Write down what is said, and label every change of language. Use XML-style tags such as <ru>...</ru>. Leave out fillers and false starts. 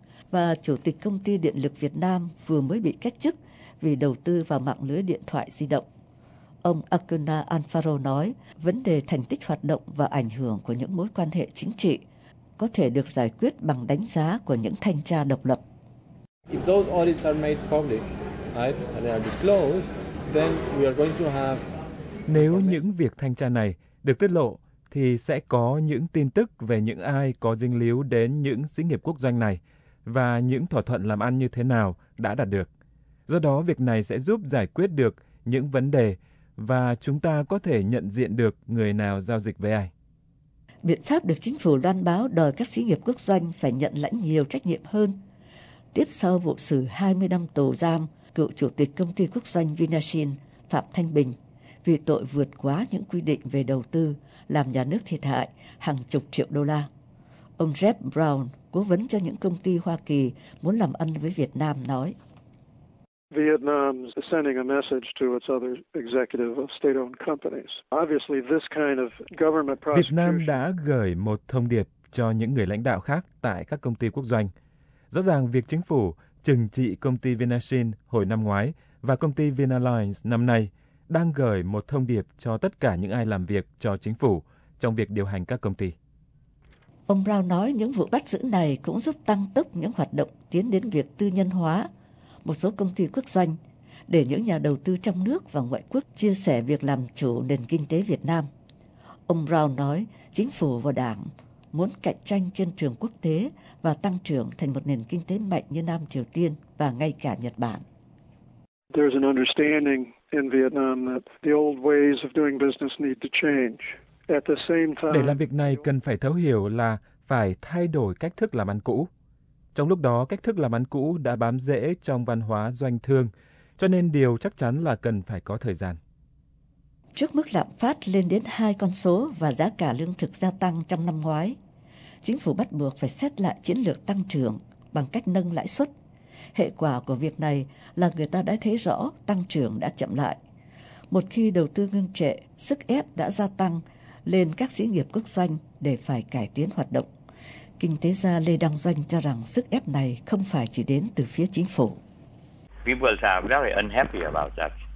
<vi>Và chủ tịch công ty điện lực Việt Nam vừa mới bị cách chức vì đầu tư vào mạng lưới điện thoại di động. Ông Akuna Alfaro nói vấn đề thành tích hoạt động và ảnh hưởng của những mối quan hệ chính trị có thể được giải quyết bằng đánh giá của những thanh tra độc lập.</vi> <en>If those audits are made public, right, and they are disclosed, then we are going to have</en> <vi>Nếu những việc thanh tra này được tiết lộ, thì sẽ có những tin tức về những ai có dính líu đến những xí nghiệp quốc doanh này và những thỏa thuận làm ăn như thế nào đã đạt được. Do đó, việc này sẽ giúp giải quyết được những vấn đề và chúng ta có thể nhận diện được người nào giao dịch với ai. Biện pháp được chính phủ loan báo đòi các xí nghiệp quốc doanh phải nhận lãnh nhiều trách nhiệm hơn. Tiếp sau vụ xử 20 năm tù giam, cựu chủ tịch công ty quốc doanh Vinashin Phạm Thanh Bình vì tội vượt quá những quy định về đầu tư làm nhà nước thiệt hại hàng chục triệu đô la. Ông Jeff Brown, cố vấn cho những công ty Hoa Kỳ muốn làm ăn với Việt Nam, nói:</vi> <en>Vietnam is sending a message to its other executive of state-owned companies. Obviously, this kind of government prosecution.</en> <vi>Việt Nam đã gửi một thông điệp cho những người lãnh đạo khác tại các công ty quốc doanh. Rõ ràng việc chính phủ trừng trị công ty Vinashin hồi năm ngoái và công ty Vinalines năm nay đang gửi một thông điệp cho tất cả những ai làm việc cho chính phủ trong việc điều hành các công ty. Ông Brown nói những vụ bắt giữ này cũng giúp tăng tốc những hoạt động tiến đến việc tư nhân hóa một số công ty quốc doanh để những nhà đầu tư trong nước và ngoại quốc chia sẻ việc làm chủ nền kinh tế Việt Nam. Ông Brown nói chính phủ và đảng muốn cạnh tranh trên trường quốc tế và tăng trưởng thành một nền kinh tế mạnh như Nam Triều Tiên và ngay cả Nhật Bản.</vi> <en>There's an understanding in Vietnam that the old ways of doing business need to change. At the same time,</en> <vi>để làm việc này cần phải thấu hiểu là phải thay đổi cách thức làm ăn cũ. Trong lúc đó, cách thức làm ăn cũ đã bám rễ trong văn hóa doanh thương, cho nên điều chắc chắn là cần phải có thời gian. Trước mức lạm phát lên đến hai con số và giá cả lương thực gia tăng trong năm ngoái, chính phủ bắt buộc phải xét lại chiến lược tăng trưởng bằng cách nâng lãi suất. Hệ quả của việc này là người ta đã thấy rõ tăng trưởng đã chậm lại. Một khi đầu tư ngưng trệ, sức ép đã gia tăng lên các xí nghiệp quốc doanh để phải cải tiến hoạt động. Kinh tế gia Lê Đăng Doanh cho rằng sức ép này không phải chỉ đến từ phía chính phủ.</vi> <en>People are very unhappy about that.</en>